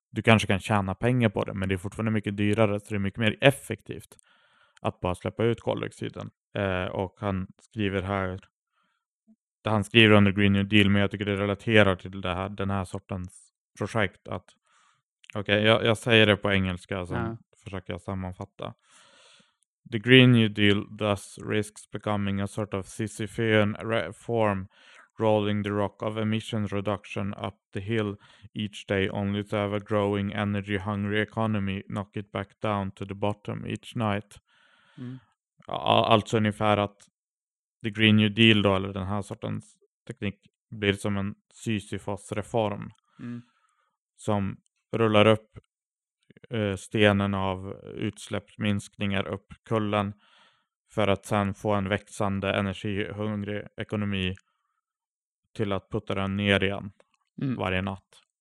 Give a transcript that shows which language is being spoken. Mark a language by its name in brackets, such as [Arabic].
[Swedish] Du kanske kan tjäna pengar på det, men det är fortfarande mycket dyrare, så det är mycket mer effektivt att bara släppa ut koldioxiden. Och han skriver här, det han skriver under Green New Deal, men jag tycker det relaterar till det här, den här sortens projekt, att Okej, jag säger det på engelska, så försöker jag sammanfatta. [English] The Green New Deal thus risks becoming a sort of Sisyphean reform, rolling the rock of emission reduction up the hill each day, only to have a growing energy-hungry economy knock it back down to the bottom each night. [Swedish] Alltså ungefär att The Green New Deal då, eller den här sortens teknik, blir som en Sisyfos-reform som rullar upp stenen av utsläppsminskningar upp kullen för att sen få en växande energihungrig ekonomi till att putta den ner igen varje natt.